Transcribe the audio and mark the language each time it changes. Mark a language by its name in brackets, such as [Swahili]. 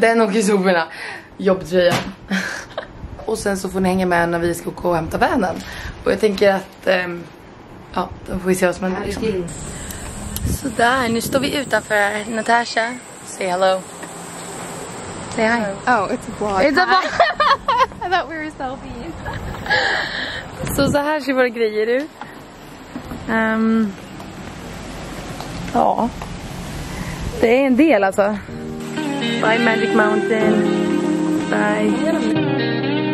[Swedish] Den åker i soporna. Jobbtröjan. Och sen så får ni hänga med när vi ska åka och hämta vanen. Och jag tänker att ja, då får vi se vad som händer. Liksom. Sådär, nu står vi utanför Natasha. [English] Say hello. Say hi. Oh, it's a vlog. It's a vlog. I thought we were selfies. [Swedish] Så här ser våra grejer ut. Ja. Det är en del alltså. [English] Bye Magic Mountain. Bye.